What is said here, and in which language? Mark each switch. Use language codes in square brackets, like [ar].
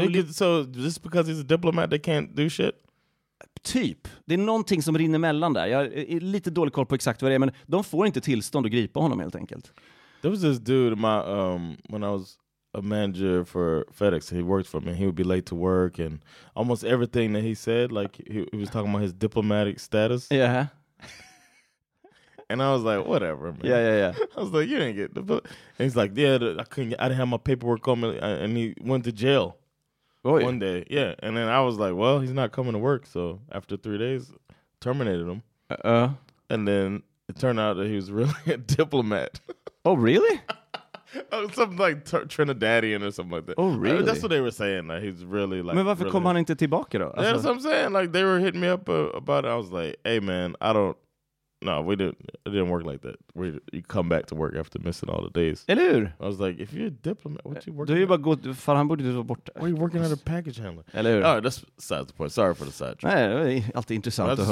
[en] So just because he's a diplomat they can't do shit? [sv] Typ. Det är någonting som rinner mellan där. Jag är lite dålig koll på exakt vad det är, men de får inte tillstånd att gripa honom helt enkelt. [en] There was this dude, when I was a manager for FedEx, he worked for me. He would be late to work, and almost everything that he said, like, he was talking about his diplomatic status. Yeah. And I was like, whatever, man. Yeah. I was like, you didn't get the... And he's like, yeah, I didn't have my paperwork on me, and he went to jail. Oh, yeah. One day, yeah. And then I was like, well, he's not coming to work. So after 3 days, terminated him. And then it turned out that he was really a diplomat. Oh, really? Something like Trinidadian or something like that. Oh, really? That's what they were saying. Like, he's really like... [sv] Men varför kom han inte tillbaka då? [en] That's what I'm saying. Like, they were hitting me up about it. I was like, hey, man, I don't... No, it didn't work like that. You come back to work after missing all the days. [sv] Eller hur? [en] I was like, if you're a diplomat, what you working? [sv] Du är bara god, för han borde ju vara borta. [en] Are you working at a package handler? [sv] Eller hur? [en] All right, that's besides the point. Sorry for the side track. [sv] Nej, det är alltid intressant att höra om.